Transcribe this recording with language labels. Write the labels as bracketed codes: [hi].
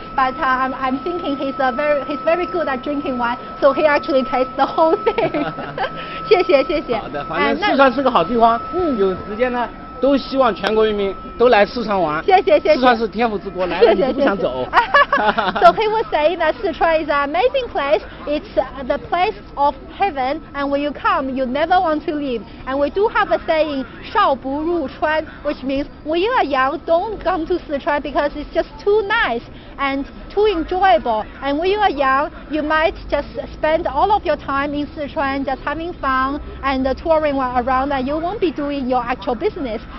[en] But I'm thinking he's very good at drinking wine, so he actually tastes the whole thing. [zh] 谢谢谢谢。好的，反正四川是个好地方。有时间呢，都希望全国人民都来四川玩。谢谢谢谢。四川是天府之国，来了你不想走。 [en] So he was saying that Sichuan is an amazing place. It's the place of heaven, and when you come, you never want to leave. And we do have a saying, [zh] 少不入川, [en] which means when you are young, don't come to Sichuan because it's just too nice. And too enjoyable. And when you are young, you might just spend all of your time in Sichuan, just having fun and touring around, and you won't be doing your actual business.